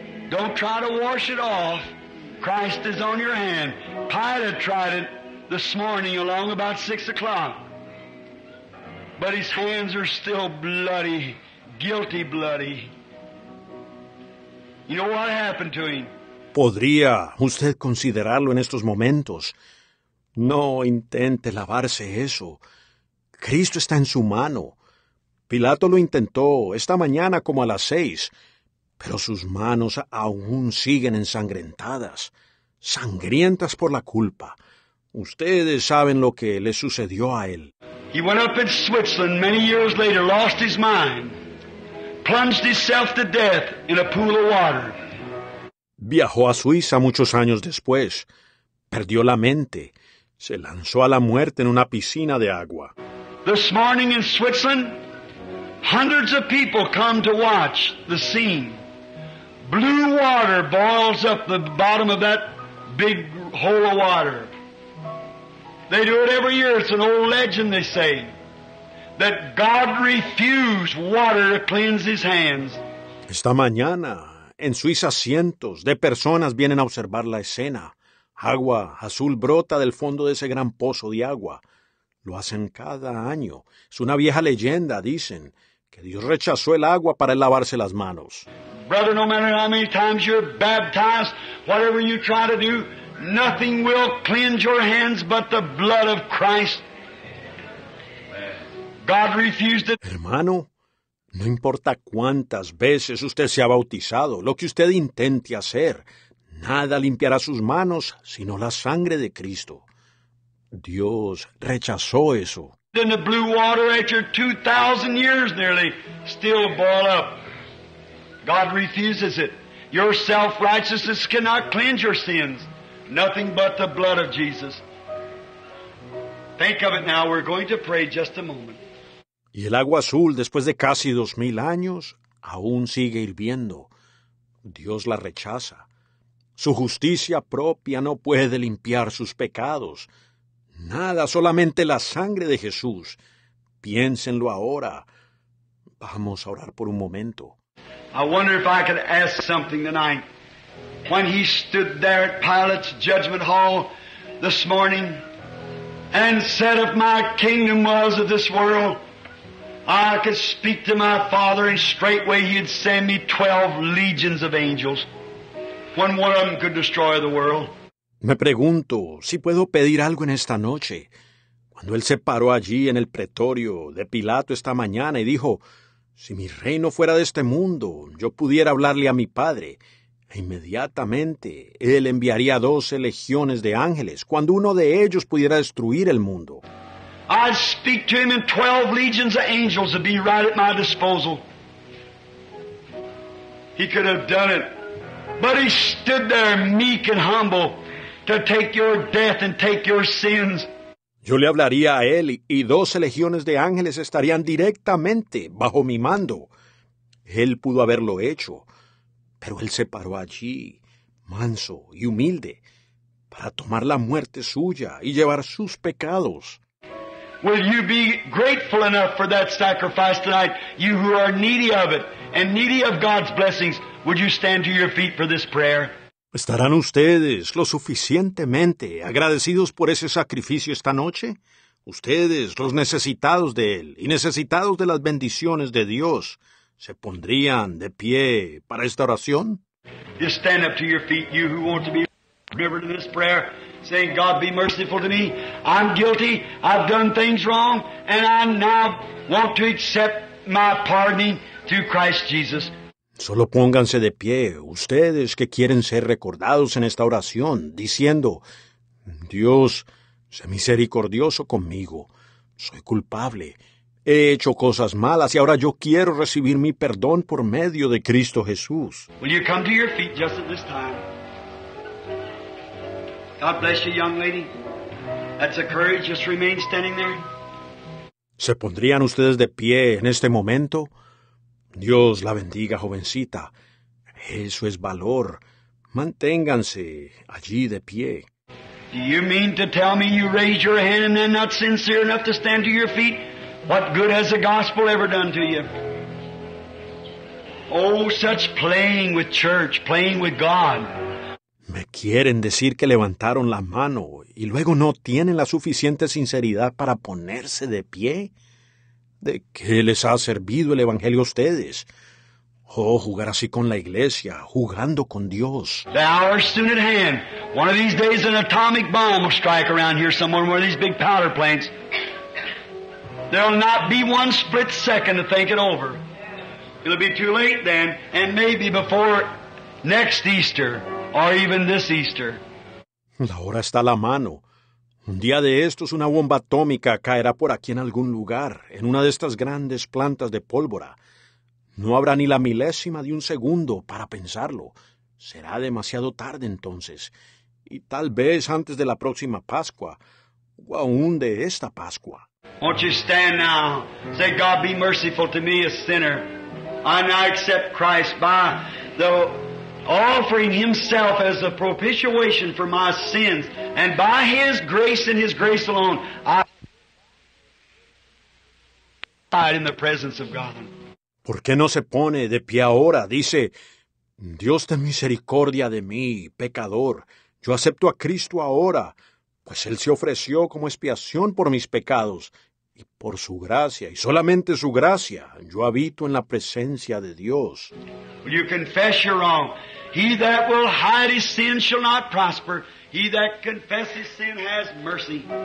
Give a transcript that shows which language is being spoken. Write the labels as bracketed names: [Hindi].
[English] Don't try to wash it off. Christ is on your hand. Pilate tried it this morning along about 6 o'clock. But his hands are still bloody, guilty bloody. You know what happened to him? [Spanish] ¿Podría usted considerarlo en estos momentos? No intente lavarse eso. Cristo está en su mano. Pilato lo intentó esta mañana como a las 6, pero sus manos aún siguen ensangrentadas, sangrientas por la culpa. Ustedes saben lo que le sucedió a él. [English] He went up in Switzerland many years later, lost his mind, plunged himself to death in a pool of water. [Spanish] Viajó a Suiza muchos años después, perdió la mente, se lanzó a la muerte en una piscina de agua. [English] This morning in Switzerland, hundreds of people come to watch the scene. Blue water boils up the bottom of that big hole of water. They do it every year. It's an old legend, they say, that God refused water to cleanse his hands. [Spanish] Esta mañana, en Suiza, cientos de personas vienen a observar la escena. Agua azul brota del fondo de ese gran pozo de agua. Lo hacen cada año. Es una vieja leyenda, dicen, que Dios rechazó el agua para lavarse las manos. [English] Brother, no matter how many times you're baptized, whatever you try to do, nothing will cleanse your hands but the blood of Christ. God refused it. [Spanish] Hermano, no importa cuántas veces usted se ha bautizado, lo que usted intente hacer, nada limpiará sus manos sino la sangre de Cristo. Dios rechazó eso. [English] Then the blue water after 2,000 years nearly still boil up. God refuses it. Your self-righteousness cannot cleanse your sins. Nothing but the blood of Jesus. Think of it now. We're going to pray just a moment. [Spanish] Y el agua azul, después de casi 2,000 años, aún sigue hirviendo. Dios la rechaza. Su justicia propia no puede limpiar sus pecados. Nada, solamente la sangre de Jesús. Piénsenlo ahora. Vamos a orar por un momento. [English] I wonder if I could ask something tonight. When he stood there at Pilate's judgment hall this morning and said, if my kingdom was of this world, I could speak to my Father and straightway he'd send me 12 legions of angels. When one of them could destroy the world. [Spanish] Me pregunto si puedo pedir algo en esta noche. Cuando él se paró allí en el pretorio de Pilato esta mañana y dijo, si mi reino fuera de este mundo, yo pudiera hablarle a mi Padre, e inmediatamente él enviaría 12 legiones de ángeles cuando uno de ellos pudiera destruir el mundo. [English] I'd speak to him and 12 legions of angels would be right at my disposal. He could have done it. But he stood there meek and humble to take your death and take your sins. [Spanish] Yo le hablaría a él y 12 legiones de ángeles estarían directamente bajo mi mando. Él pudo haberlo hecho, pero él se paró allí, manso y humilde, para tomar la muerte suya y llevar sus pecados. [English] Will you be grateful enough for that sacrifice tonight, you who are needy of it and needy of God's blessings? Would you stand to your feet for this prayer? [Spanish] ¿Estarán ustedes lo suficientemente agradecidos por ese sacrificio esta noche? Ustedes, los necesitados de él y necesitados de las bendiciones de Dios, ¿se pondrían de pie para esta oración? [English] Just stand up to your feet, you who want to be delivered in this prayer, saying, God, be merciful to me. I'm guilty. I've done things wrong. And I now want to accept my pardoning through Christ Jesus. [Spanish] Solo pónganse de pie, ustedes que quieren ser recordados en esta oración, diciendo, Dios, sé misericordioso conmigo, soy culpable, He hecho cosas malas y ahora yo quiero recibir mi perdón por medio de Cristo Jesús. [English] Will you come to your feet just at this time? God bless you, young lady. That's a courage. Just remain standing there. [Spanish] ¿Se pondrían ustedes de pie en este momento? Dios la bendiga, jovencita. Eso es valor. Manténganse allí de pie. [English] Do you mean to tell me you raise your hand and then not sincere enough to stand to your feet? What good has the gospel ever done to you? Oh, such playing with church, playing with God. [Spanish] ¿Me quieren decir que levantaron la mano y luego no tienen la suficiente sinceridad para ponerse de pie? ¿De qué les ha servido el Evangelio a ustedes? Oh, jugar así con la iglesia, jugando con Dios. [English] The hour is soon at hand. One of these days an atomic bomb will strike around here somewhere in one of these big powder plants. There will not be one split second to think it over. It'll be too late then, and maybe before next Easter, or even this Easter. [Spanish] La hora está a la mano. Un día de estos una bomba atómica caerá por aquí en algún lugar, en una de estas grandes plantas de pólvora. No habrá ni la milésima de un segundo para pensarlo. Será demasiado tarde entonces. Y tal vez antes de la próxima Pascua, o aún de esta Pascua. [English] Won't you stand now? Say, God be merciful to me, a sinner. And I accept Christ by the offering himself as a propitiation for my sins. And by his grace and his grace alone, I hide in the presence of God. [Spanish] ¿Por qué no se pone de pie ahora? Dice, Dios ten misericordia de mí, pecador. Yo acepto a Cristo ahora, pues Él se ofreció como expiación por mis pecados. Y por su gracia, y solamente su gracia, yo habito en la presencia de Dios. [English] Will you confess your wrong? He that will hide his sin shall not prosper. He that confesses sin has mercy.